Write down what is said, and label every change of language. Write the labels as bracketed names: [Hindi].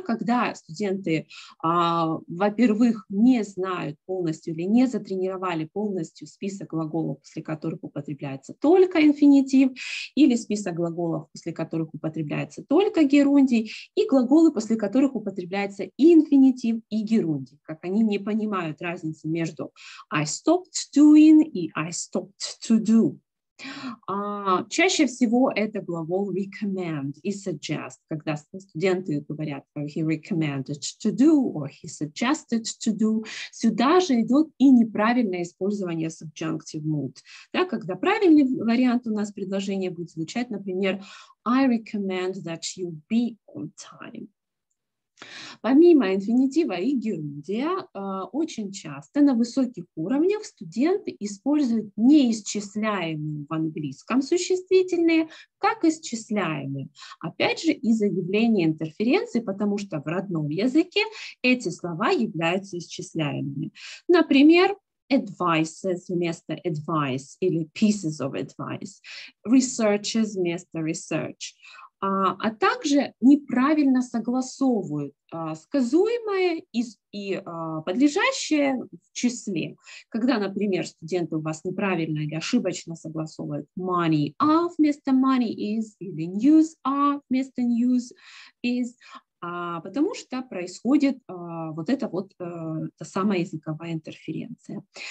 [Russian] Когда студенты, во-первых, не знают полностью или не затренировали полностью список глаголов, после которых употребляется только инфинитив, или список глаголов, после которых употребляется только герундий, и глаголы, после которых употребляется и инфинитив, и герундий, как они не понимают разницы между [English] I stopped doing [Russian] и [English] I stopped to do. [Russian] Чаще всего это глагол recommend и suggest, когда студенты говорят [English] he recommended to do [Russian] or he suggested to do. Сюда же идет и неправильное использование subjunctive mood. Да, когда правильный вариант у нас предложения будет звучать, например, [English] I recommend that you be on time. [Russian] Помимо инфинитива и герундия, очень часто на высоких уровнях студенты используют неисчисляемые в английском существительные как исчисляемые. Опять же, из-за явления интерференции, потому что в родном языке эти слова являются исчисляемыми. Например, advices вместо advice или [English] pieces of advice, [Russian] researches вместо research. А также неправильно согласовывают сказуемое подлежащее в числе. Когда, например, студенты у вас неправильно или ошибочно согласовывают [English] money of [Russian] вместо [English] money is [Russian] или [English] news of [Russian] вместо [English] news is, [Russian] потому что происходит та самая языковая интерференция.